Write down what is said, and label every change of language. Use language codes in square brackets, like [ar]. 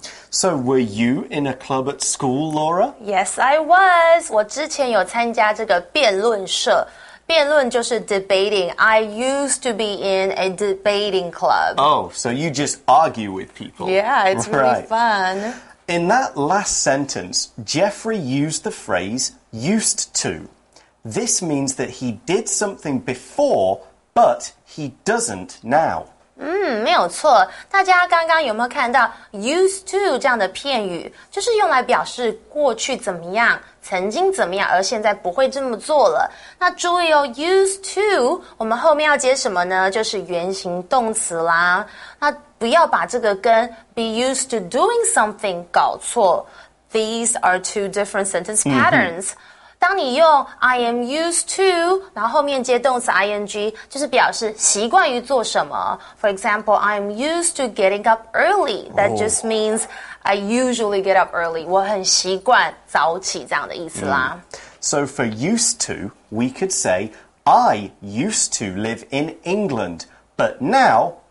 [en] So were you in a club at school, Laura? Yes, I was. [zh] 我之前有参加这个辩论社。辩论就是 [en] debating. I used to be in a debating club. Oh, so you just argue with people? Yeah, it's really fun. In that last sentence, Jeffrey used the phrase used to. This means that he did something before, but he doesn't now. [zh] 没有错。大家刚刚有没有看到 used to 这样的片语，就是用来表示过去怎么样，曾经怎么样，而现在不会这么做了。那注意哦， used to, 我们后面要接什么呢？就是原形动词啦。那不要把这个跟 be used to doing something 搞错。 [en] These are two different sentence patterns.、 [zh] 当你用 I am used to, 然后后面接动词 ing, 就是表示习惯于做什么。 [en] For example, I am used to getting up early. That just means I usually get up early. [zh] 我很习惯早起这样的意思啦。 [en] So for used to, we could say, I used to live in England, but now...